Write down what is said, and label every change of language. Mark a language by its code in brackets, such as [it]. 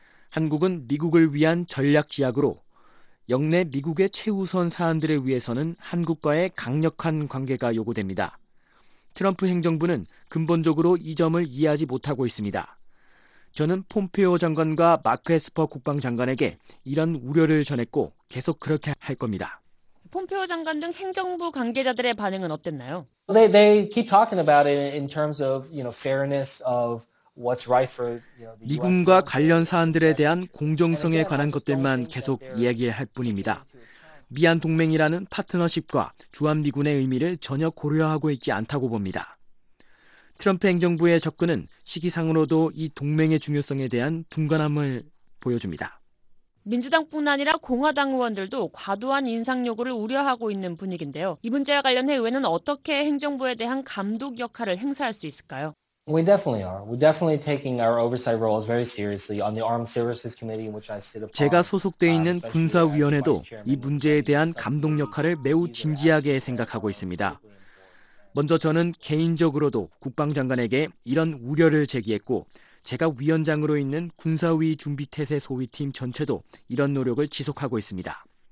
[ko] 한국은 미국을 위한 전략지약으로 역내 미국의 최우선 사안들을 위해서는 한국과의 강력한 관계가 요구됩니다. 트럼프 행정부는 근본적으로 이 점을 이해하지 못하고 있습니다. 저는 폼페오 장관과 마크 에스퍼 국방장관에게 이런 우려를 전했고 계속 그렇게 할 겁니다. 폼페오 장관 등 행정부 관계자들의 반응은 어땠나요? [en] They keep talking about it in terms of, you know, fairness of what's right for, you know, [ko] 미군과 관련 사안들에 대한 공정성에 관한 것들만 계속 이야기할 뿐입니다. 미한 동맹이라는 파트너십과 주한미군의 의미를 전혀 고려하고 있지 않다고 봅니다. 트럼프 행정부의 접근은 시기상으로도 이 동맹의 중요성에 대한 둔간함을 보여줍니다. 민주당뿐 아니라 공화당 의원들도 과도한 인상 요구를 우려하고 있는 분위기인데요. 이 문제와 관련해 의회는 어떻게 행정부에 대한 감독 역할을 행사할 수 있을까요? [en] We definitely are. We're definitely taking our oversight roles very seriously on the Armed Services Committee, which I sit upon. [ko] 제가 소속돼 있는 군사위원회도 이 문제에 대한 감독 역할을 매우 진지하게 생각하고 있습니다. 먼저 저는 개인적으로도 국방장관에게 이런 우려를 제기했고 제가 위원장으로 있는 군사위 준비태세 소위팀 전체도 이런 노력을 지속하고 있습니다.